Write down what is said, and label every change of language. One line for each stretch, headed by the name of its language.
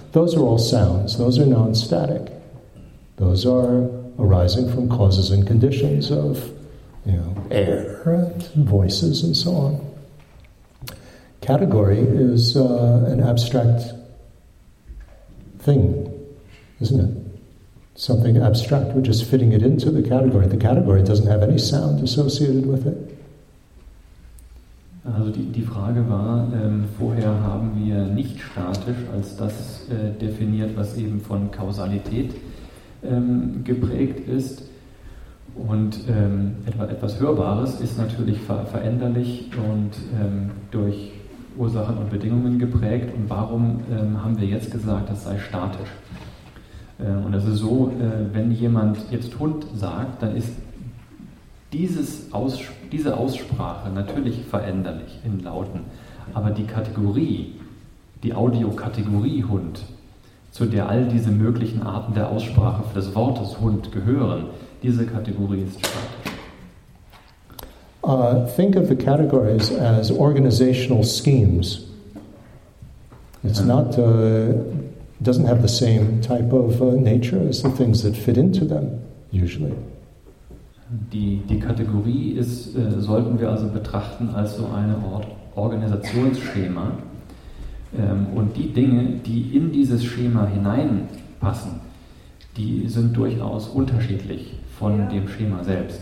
English: Those are all sounds. Those are non-static. Those are arising from causes and conditions of, you know, air and voices and so on. Category is an abstract thing, isn't it? Something abstract. We're just fitting it into the category. The category doesn't have any sound associated with it.
German: Also die Frage war, vorher haben wir nicht statisch als das definiert, was eben von Kausalität geprägt ist. Und etwas Hörbares ist natürlich veränderlich und durch Ursachen und Bedingungen geprägt. Und warum haben wir jetzt gesagt, das sei statisch? Und das ist so, wenn jemand jetzt Hund sagt, dann ist diese Aussprache natürlich veränderlich in Lauten, aber die Kategorie, die Audiokategorie Hund, zu der all diese möglichen Arten der Aussprache des Wortes Hund gehören, diese Kategorie ist statisch.
English: Think of the categories as organizational schemes. It's not doesn't have the same type of nature as the things that fit into them usually.
German: Die Kategorie ist, sollten wir also betrachten als so eine Art Organisationsschema. Und die Dinge, die in dieses Schema hineinpassen, die sind durchaus unterschiedlich von dem Schema selbst.